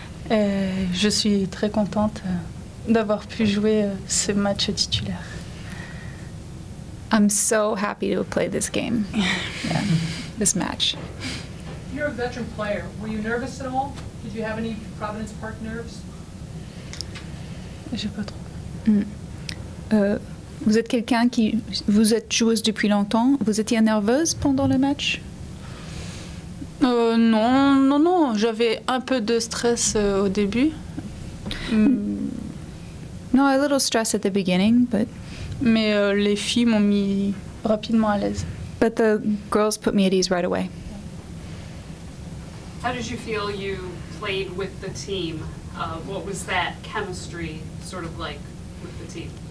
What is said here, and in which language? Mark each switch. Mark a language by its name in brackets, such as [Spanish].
[French] Je suis très contente d'avoir pu jouer ce match titulaire. [English] I'm so happy to play this game, this match. You're a veteran player. Were you nervous at all? Did you have any Providence Park nerves? [French] J'ai pas trop. Vous êtes quelqu'un qui... Vous êtes joueuse depuis longtemps. Vous étiez nerveuse pendant le match? Non. J'avais un peu de stress au début. [English] No, a little stress at the beginning, but... [French] Mais les filles m'ont mis rapidement à l'aise. [English] But the girls put me at ease right away. How did you feel you played with the team? What was that chemistry sort of like with the team?